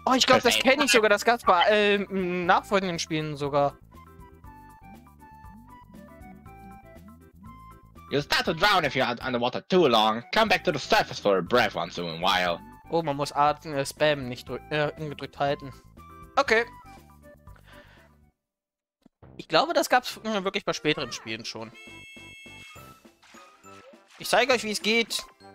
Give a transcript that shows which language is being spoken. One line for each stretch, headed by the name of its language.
German: Oh, ich glaube, das kenne ich sogar. Das gab's bei nachfolgenden Spielen sogar.
English: You start to drown if you're underwater too long. Come back to the surface for a breath once in a while.
German: Oh, man muss atmen, Spam nicht gedrückt halten. Okay. Ich glaube, das gab's wirklich bei späteren Spielen schon. Ich zeige euch, wie es geht.